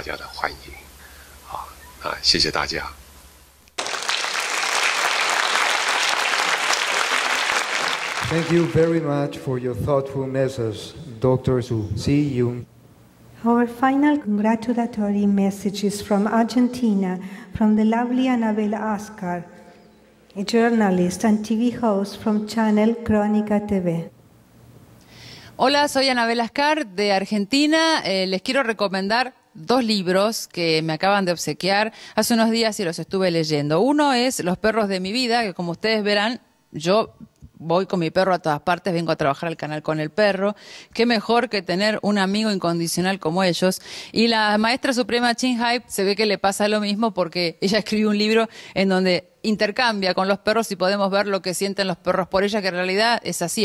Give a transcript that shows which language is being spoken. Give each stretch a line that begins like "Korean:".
Chinese: 那我要郑重的为各位来推荐，那为要祝贺之意，那我相信呢这本书的一个发行一定会很受到大家的欢迎，谢谢大家。
English: Thank you very much for your thoughtful message, Dr. Su. See you. Our final congratulatory message is from Argentina, from the lovely Anabel Ascar. A journalist and TV host from Channel Crónica TV.
Spanish: Hola, soy Anabel Ascar de Argentina. Les quiero recomendar dos libros que me acaban de obsequiar hace unos días y los estuve leyendo. Uno es Los perros de mi vida, que como ustedes verán, yo voy con mi perro a todas partes, vengo a trabajar al canal con el perro. Qué mejor que tener un amigo incondicional como ellos. Y la maestra suprema Ching Hai se ve que le pasa lo mismo porque ella escribió un libro en donde intercambia con los perros y podemos ver lo que sienten los perros por ella, que en realidad es así.